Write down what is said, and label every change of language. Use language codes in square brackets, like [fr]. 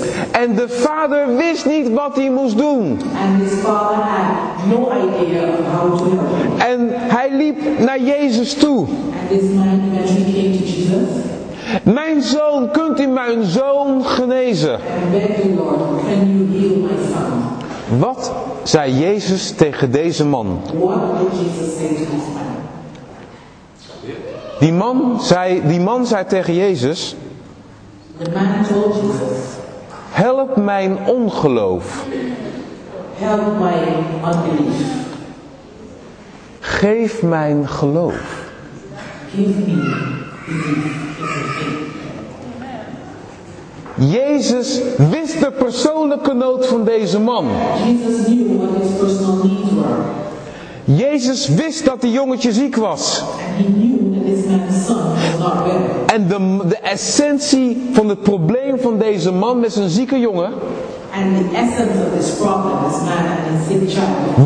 [nl] En de vader wist niet wat hij moest doen. [en] And his father had no idea of how to help him. [nl] En hij liep naar Jezus toe. [en] And this man eventually came to Jesus. [nl] Mijn zoon, kunt u mijn zoon genezen? [en] And beg the Lord, can you heal my son? [nl] Wat zei Jezus tegen deze man? [en] What did Jesus say to this man? [nl] Die man zei tegen Jezus. [en] The man told Jesus. [nl] Help mijn ongeloof. [en] Help my unbelief. [nl] Geef mijn geloof. [en] Give me belief. [nl] Jezus wist de persoonlijke nood van deze man. [en] Jesus knew what his personal needs were. [nl] Jezus wist dat die jongetje ziek was. [en] And he knew that his son was not well. [nl] En de essentie van het probleem van deze man met zijn zieke jongen. [en] And the essence of this problem, this man and his sick child.